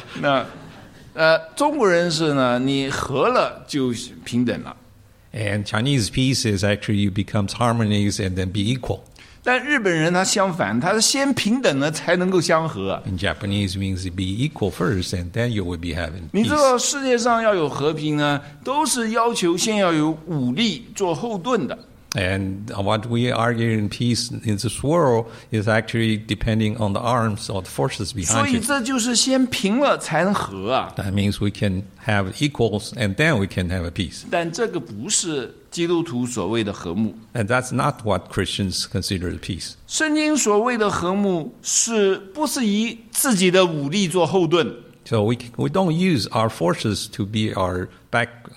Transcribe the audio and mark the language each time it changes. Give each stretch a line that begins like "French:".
Chinese: 那中国人是呢，你和了就平等了。
English: And Chinese peace is actually you becomes harmonies and then be equal.
Chinese: 但日本人他相反，他是先平等了才能够相合。
English: In Japanese means be equal first and then you will be having peace.
Chinese: 你知道世界上要有和平呢，都是要求先要有武力做后盾的。
English: And what we argue in peace in this world is actually depending on the arms or the forces behind it.
Chinese: 所以这就是先平了才能和啊。
English: That means we can have equals and then we can have a peace.
Chinese: 但这个不是基督徒所谓的和睦。
English: And that's not what Christians consider peace.
Chinese: 圣经所谓的和睦是不是以自己的武力做后盾。
English: So we don't use our forces to be our back.